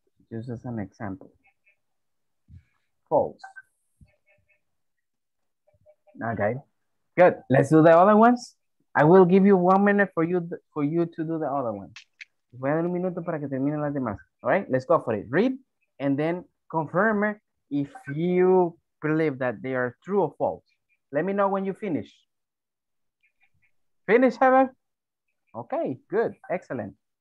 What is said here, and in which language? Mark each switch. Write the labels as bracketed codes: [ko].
[en] Just as an example. False. Okay. Good. Let's do the other ones. I will give you 1 minute for you to do the other one. [es] Voy a dar un minuto para que terminen las demás. [en] All right, let's go for it. Read and then confirm if you believe that they are true or false. Let me know when you finish. Finish, Heather? Okay, good, excellent.